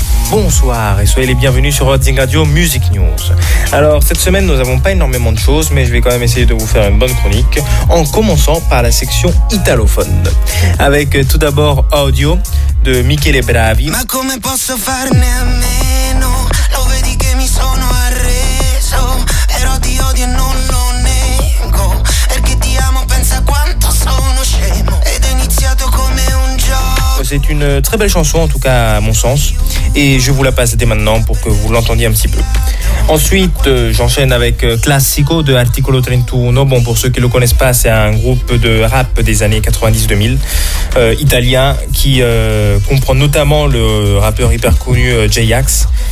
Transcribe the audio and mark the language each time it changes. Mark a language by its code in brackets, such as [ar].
[fr] Bonsoir et soyez les bienvenus sur Rodzing Radio Music News. Alors cette semaine nous n'avons pas énormément de choses, mais je vais quand même essayer de vous faire une bonne chronique en commençant par la section italophone. Avec tout d'abord Audio de Michele Bravi. [it] Ma come posso farne a meno? Lo vedi che mi sono arreso. Però ti odio e non lo nego. Perché ti amo, pensa quanto sono scemo. Ed è iniziato come un gioco. [fr] C'est une très belle chanson, en tout cas à mon sens. Et je vous la passe dès maintenant pour que vous l'entendiez un petit peu. Ensuite, j'enchaîne avec Classico de Articolo 31. Bon, pour ceux qui ne le connaissent pas, c'est un groupe de rap des années 90-2000, italien, qui comprend notamment le rappeur hyper connu J-Ax.